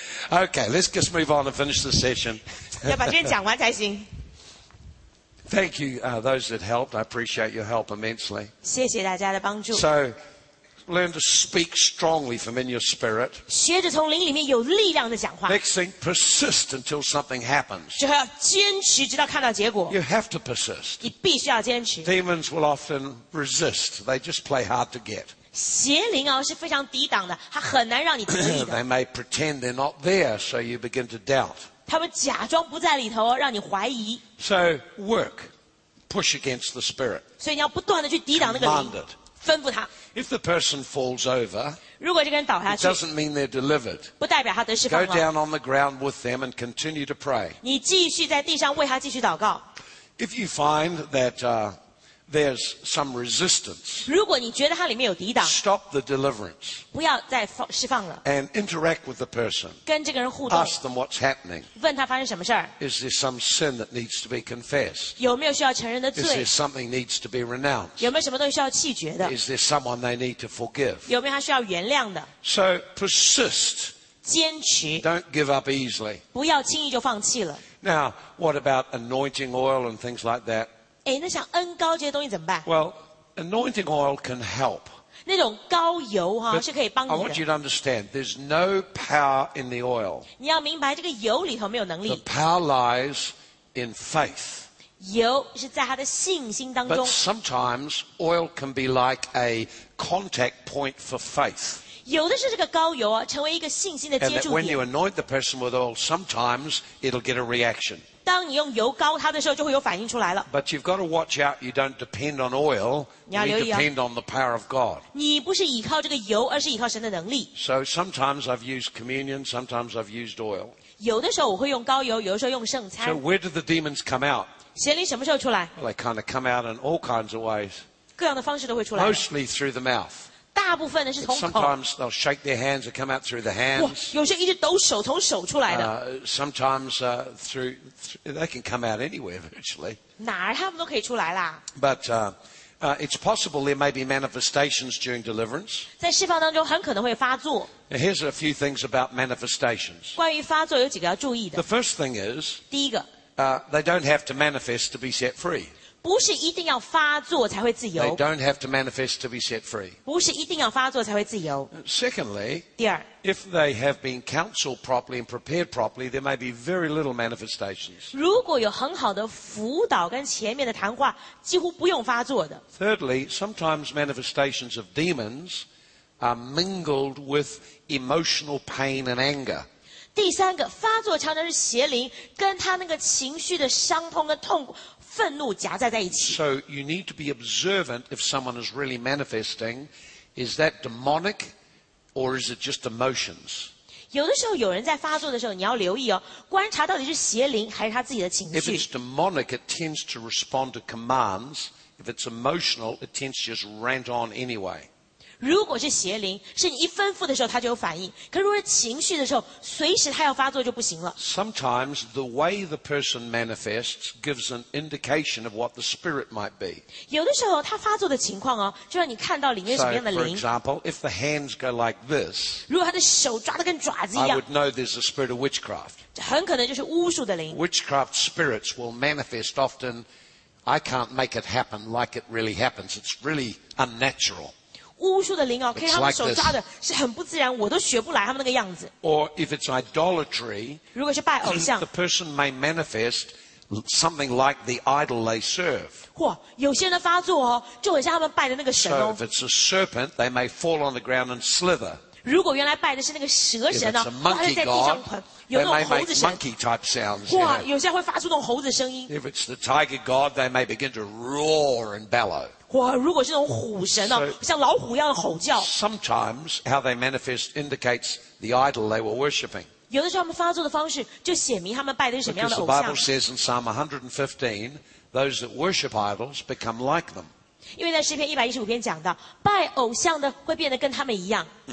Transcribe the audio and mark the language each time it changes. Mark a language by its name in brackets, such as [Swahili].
[English] Okay, let's just move on and finish the session. [Chinese] 要把这边讲完才行。 [English] Thank you, those that helped. I appreciate your help immensely. [Chinese] 谢谢大家的帮助。 [English] So, learn to speak strongly from in your spirit. [Chinese] 学着从灵里面有力量的讲话。 [English] Next thing, persist until something happens. [Chinese] 就要坚持直到看到结果。 [English] You have to persist. [Chinese] 你必须要坚持。 [English] Demons will often resist. They just play hard to get. [Chinese] 邪灵啊是非常抵挡的，它很难让你得意的。 [English] They may pretend they're not there, so you begin to doubt. [Chinese] 他们假装不在里头，让你怀疑。 [English] So work, push against the spirit. [Chinese] 所以你要不断的去抵挡那个灵。 [English] Command it. [Chinese] 吩咐他。 [English] If the person falls over, [Chinese] 如果这个人倒下去， [English] it doesn't mean they're delivered. [Chinese] 不代表他得释放了。 [English] Go down on the ground with them and continue to pray. [Chinese] 你继续在地上为他继续祷告。 [English] If you find that, there's some resistance, [Chinese] 如果你觉得他里面有抵挡， [English] stop the deliverance, [Chinese] 不要再释放了， [English] and interact with the person, [Chinese] 跟这个人互动， [English] ask them what's happening, [Chinese] 问他发生什么事儿， [English] is there some sin that needs to be confessed, [Chinese] 有没有需要承认的罪， [English] is there something needs to be renounced, [Chinese] 有没有什么东西需要弃绝的， [English] is there someone they need to forgive, [Chinese] 有没有他需要原谅的， [English] so persist, [Chinese] 坚持， [English] don't give up easily, [Chinese] 不要轻易就放弃了。 [English] Now, what about anointing oil and things like that? [Chinese] 哎，那像恩膏这些东西怎么办？ [English] Well, anointing oil can help. [Chinese] 那种膏油哈是可以帮你的。 [English] I want you to understand, there's no power in the oil. [Chinese] 你要明白这个油里头没有能力。 [English] The power lies in faith. [Chinese] 油是在他的信心当中。 [English] But sometimes oil can be like a contact point for faith. [Chinese] 有的是这个膏油啊，成为一个信心的接触点。 [English] And when you anoint the person with oil, sometimes it'll get a reaction. [Chinese] 当你用油膏他的时候，就会有反应出来了。 [English] But you've got to watch out. You don't depend on oil. You depend on the power of God. [Chinese] 你不是依靠这个油，而是依靠神的能力。 [English] So sometimes I've used communion. Sometimes I've used oil. [Chinese] 有的时候我会用膏油，有的时候用圣餐。 [English] So where did the demons come out? [Chinese] 邪灵什么时候出来？ [English] Well, they kind of come out in all kinds of ways. [Chinese] 各样的方式都会出来。 [English] Mostly through the mouth. [Chinese] 大部分呢是从口。 [English] Sometimes they'll shake their hands or come out through the hands. [Chinese] 有些一直抖手，从手出来的。 [English] Sometimes they can come out anywhere virtually. [Chinese] 哪儿他们都可以出来啦。 [English] But it's possible there may be manifestations during deliverance. [Chinese] 在释放当中很可能会发作。 [English] Now, here's a few things about manifestations. [Chinese] 关于发作有几个要注意的。 [English] The first thing is, [Chinese] 第一个。 [English] They don't have to manifest to be set free. [Chinese] 不是一定要发作才会自由。 [English] They don't have to manifest to be set free. [Chinese] 不是一定要发作才会自由。 [English] Secondly, [Chinese] 第二 [English] if they have been counseled properly and prepared properly, there may be very little manifestations. [Chinese] 如果有很好的辅导跟前面的谈话，几乎不用发作的。 [English] Thirdly, sometimes manifestations of demons are mingled with emotional pain and anger. [Chinese] 第三个发作常常是邪灵跟他那个情绪的伤痛跟痛苦愤怒夹杂在一起。 [English] So you need to be observant if someone is really manifesting. Is that demonic or is it just emotions? [Chinese] 有的时候有人在发作的时候你要留意哦，观察到底是邪灵还是他自己的情绪。 [English] If it's demonic, it tends to respond to commands. If it's emotional, it tends to just rant on anyway. [Chinese] 如果是邪灵是你一吩咐的时候他就有反应可如果是情绪的时候随时他要发作就不行了 [English] Sometimes the way the person manifests gives an indication of what the spirit might be [Chinese] 有的时候他发作的情况哦，就让你看到里面什么样的灵 [English] So for example if the hands go like this [Chinese] 如果他的手抓得跟爪子一样 [English] I would know there's a spirit of witchcraft [Chinese] 很可能就是巫术的灵 [English] Witchcraft spirits will manifest often I can't make it happen like it really happens It's really unnatural [Chinese] 巫术的灵哦，可以他们手抓的是很不自然，我都学不来他们那个样子。 [English] Or if it's idolatry, [Chinese] 如果是拜偶像 [English] ，the person may manifest something like the idol they serve. [Chinese] 哇，有些人的发作哦，就很像他们拜的那个神哦。 [English] So if it's a serpent, they may fall on the ground and slither. [Chinese] 如果原来拜的是那个蛇神呢，它会在地上滚。 [English] They may make monkey type sounds. [Chinese] 哇，有些人会发出那种猴子声音。 [English] If it's the tiger god, they may begin to roar and bellow. [Chinese] 哇，如果是那种虎神啊，像老虎一样吼叫。 [English] Sometimes how they manifest indicates the idol they were worshipping. [Chinese] 有的时候他们发作的方式就显明他们拜的是什么样的偶像。 [English] Because the Bible says in Psalm 115, those that worship idols become like them. [Chinese] 因为在诗篇115篇讲到，拜偶像的会变得跟他们一样。